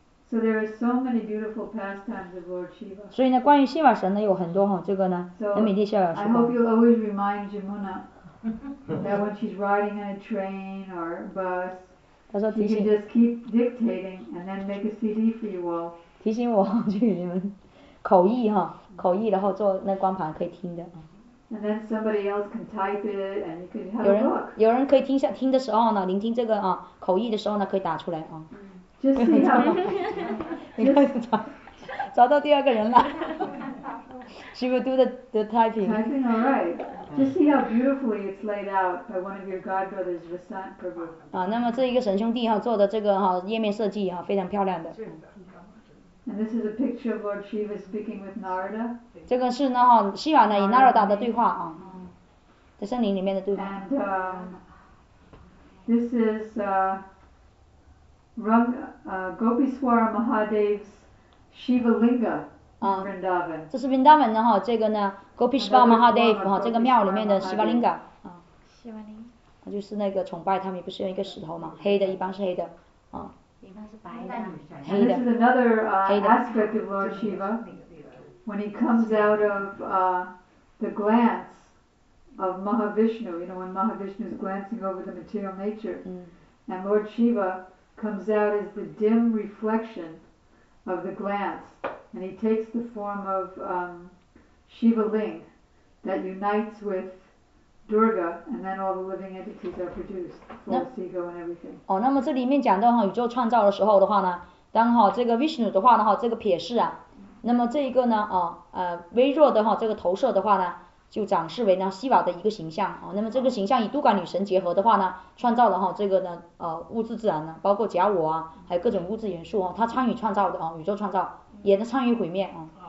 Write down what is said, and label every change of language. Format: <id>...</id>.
<en>So there are so many beautiful pastimes of Lord Shiva.</en> <zh>所以呢，关于希瓦神呢有很多哈，这个呢很美丽逍遥。</zh> <en>So I hope you'll always remind Jamuna that when she's riding on a train or bus.</en> <zh>他说提醒</zh> <en>you can just keep dictating and then make a CD for you all.</en> <zh>提醒我去你们口译哈，口译然后做那光盘可以听的。</zh> <en>And then somebody else can type it and you can have a look.</en> <zh>有人可以听下听的时候呢，聆听这个啊口译的时候呢，可以打出来啊。</zh> <en>Just see how.</en> <zh>你看找到第二个人了。</zh> <en>She will do the typing. Typing all right. Just see how beautifully it's laid out by one of your godbrothers, Vasant Prabhu.</en> <zh>啊，那么这一个神兄弟哈做的这个哈页面设计哈非常漂亮的。</zh> <en>And this is a picture of Lord Shiva speaking with Narada.</en> <zh>这个是呢哈希瓦呢与 Narada 的对话啊，在森林里面的对话。</zh> <en>And this is Gopiswar Mahadev's Shiva Linga.</en> <zh>啊，这是 Vrindavan 的哈，这个呢 Gopishva Mahadev 哈，这个庙里面的 Shivalinga 啊，Shivalinga，就是那个崇拜他们不是用一个石头嘛，黑的一般是黑的，啊，一般是白的，黑的。</zh> <en>This is another aspect of Lord Shiva. When he comes out of the glance of Mahavishnu, you know, when Mahavishnu is glancing over the material nature, and Lord Shiva comes out as the dim reflection of the glance. And he takes the form of Shiva Ling that unites with Durga, and then all the living entities are produced, full of ego and everything.</en> <zh>哦，那么这里面讲到哈宇宙创造的时候的话呢，当哈这个 Vishnu 的话呢哈这个撇视啊，那么这一个呢啊微弱的哈这个投射的话呢，就展示为呢希瓦的一个形象啊。那么这个形象与多嘎女神结合的话呢，创造了哈这个呢物质自然呢，包括假我啊，还有各种物质元素啊，他参与创造的啊，宇宙创造也能参与毁灭啊。</zh>